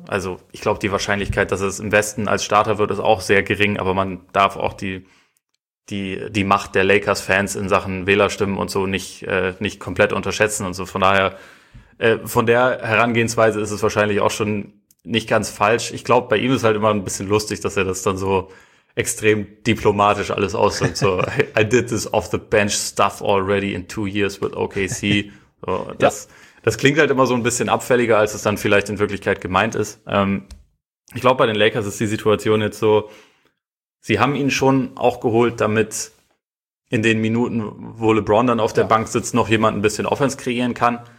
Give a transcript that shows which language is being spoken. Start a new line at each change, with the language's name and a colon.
German: Also ich glaube, die Wahrscheinlichkeit, dass es im Westen als Starter wird, ist auch sehr gering, aber man darf auch die Macht der Lakers-Fans in Sachen Wählerstimmen und so nicht komplett unterschätzen und so. Von daher, von der Herangehensweise ist es wahrscheinlich auch schon nicht ganz falsch. Ich glaube, bei ihm ist halt immer ein bisschen lustig, dass er das dann so extrem diplomatisch alles ausdrückt.
English: So, I did this off-the-bench stuff already in 2 years with OKC.
German: So, Das klingt halt immer so ein bisschen abfälliger, als es dann vielleicht in Wirklichkeit gemeint ist. Ich glaube, bei den Lakers ist die Situation jetzt so, sie haben ihn schon auch geholt, damit in den Minuten, wo LeBron dann auf der Bank sitzt, noch jemand ein bisschen Offense kreieren kann.